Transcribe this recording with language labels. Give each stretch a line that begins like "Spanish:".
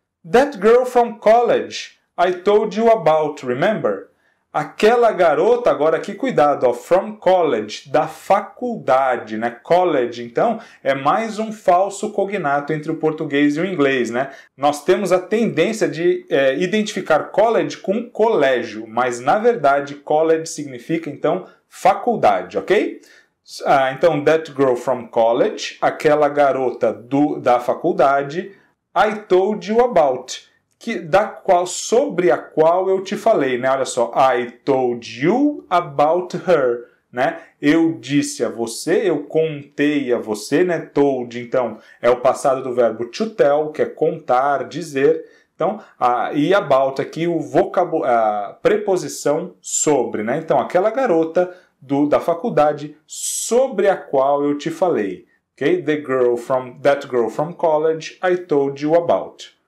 English: That girl from college I told you about, remember?
Portuguese: Aquela garota, agora aqui, cuidado, ó,
English: from college,
Portuguese: da faculdade, né? College, então, é mais um falso cognato entre o português e o inglês, né? Nós temos a tendência de identificar college com colégio, mas, na verdade, college significa, então, faculdade, ok? Então,
English: that girl from college,
Portuguese: aquela garota da faculdade,
English: I told you about.
Portuguese: Sobre a qual eu te falei, né? Olha só,
English: I told you about her,
Portuguese: né? Eu disse a você, eu contei a você, né? Told, então, é o passado do verbo to tell, que é contar, dizer. Então, e about aqui, a preposição sobre, né? Então, aquela garota da faculdade sobre a qual eu te falei, ok?
English: That girl from college, I told you about.